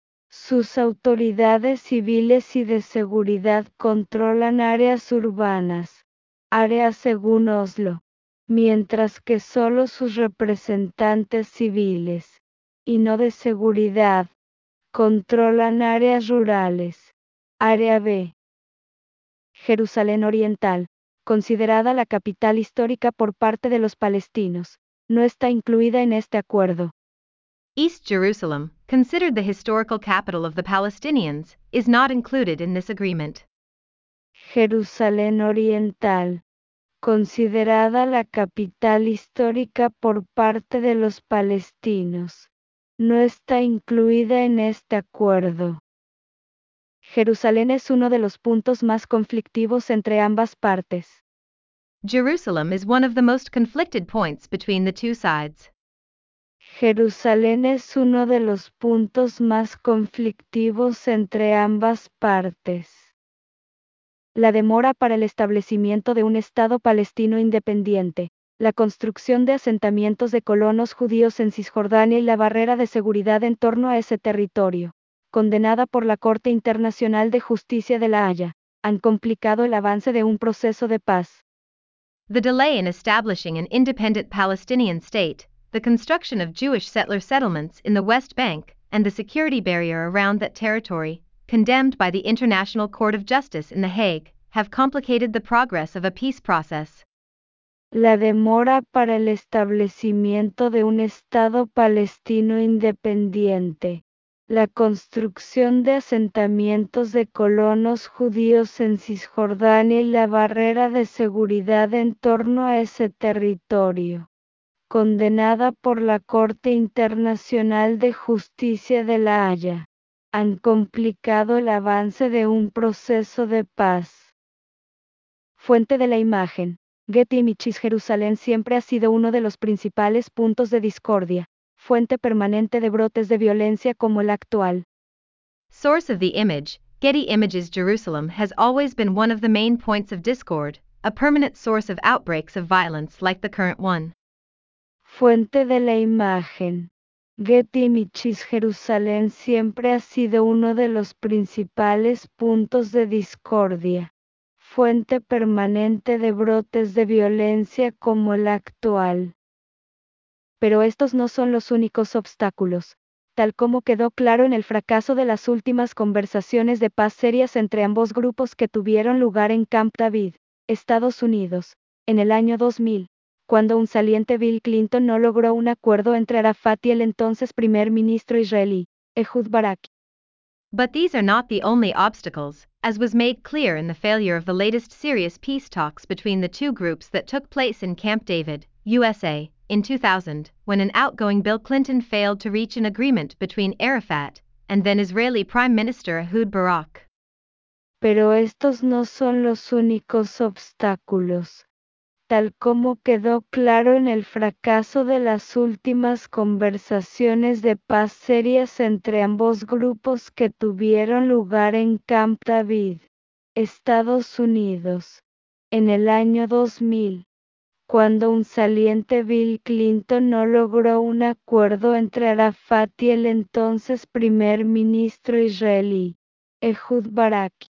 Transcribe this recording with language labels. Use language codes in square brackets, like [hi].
[es] Sus autoridades civiles y de seguridad controlan áreas urbanas, área según Oslo, mientras que solo sus representantes civiles, y no de seguridad, controlan áreas rurales, área B. Jerusalén Oriental, considerada la capital histórica por parte de los palestinos, no está incluida en este acuerdo. [en] East Jerusalem, considered the historical capital of the Palestinians, is not included in this agreement. [es] Jerusalén Oriental, considerada la capital histórica por parte de los palestinos, no está incluida en este acuerdo. Jerusalén es uno de los puntos más conflictivos entre ambas partes. [en] Jerusalem is one of the most conflicted points between the two sides. [es] Jerusalén es uno de los puntos más conflictivos entre ambas partes. La demora para el establecimiento de un Estado palestino independiente, la construcción de asentamientos de colonos judíos en Cisjordania y la barrera de seguridad en torno a ese territorio, condenada por la Corte Internacional de Justicia de La Haya, han complicado el avance de un proceso de paz. [en] The delay in establishing an independent Palestinian state, the construction of Jewish settler settlements in the West Bank, and the security barrier around that territory, condemned by the International Court of Justice in The Hague, have complicated the progress of a peace process. [es] La demora para el establecimiento de un Estado palestino independiente, La construcción de asentamientos de colonos judíos en Cisjordania y la barrera de seguridad en torno a ese territorio. Condenada por la Corte Internacional de Justicia de La Haya. Han complicado el avance de un proceso de paz. Fuente de la imagen. Getty Images. Jerusalén siempre ha sido uno de los principales puntos de discordia. Fuente permanente de brotes de violencia como el actual. [en] Source of the image, Getty Images. Jerusalem has always been one of the main points of discord, a permanent source of outbreaks of violence like the current one. [es] Fuente de la imagen. Getty Images. Jerusalén siempre ha sido uno de los principales puntos de discordia. Fuente permanente de brotes de violencia como el actual. Pero estos no son los únicos obstáculos. Tal como quedó claro en el fracaso de las últimas conversaciones de paz serias entre ambos grupos que tuvieron lugar en Camp David, Estados Unidos, en el año 2000, cuando un saliente Bill Clinton no logró un acuerdo entre Arafat y el entonces primer ministro israelí, Ehud Barak. [en] But these are not the only obstacles, as was made clear in the failure of the latest serious peace talks between the two groups that took place in Camp David, USA, in 2000, when an outgoing Bill Clinton failed to reach an agreement between Arafat and then Israeli Prime Minister Ehud Barak. [es] Pero estos no son los únicos obstáculos. Tal como quedó claro en el fracaso de las últimas conversaciones de paz serias entre ambos grupos que tuvieron lugar en Camp David, Estados Unidos, en el año 2000, cuando un saliente Bill Clinton no logró un acuerdo entre Arafat y el entonces primer ministro israelí, Ehud Barak.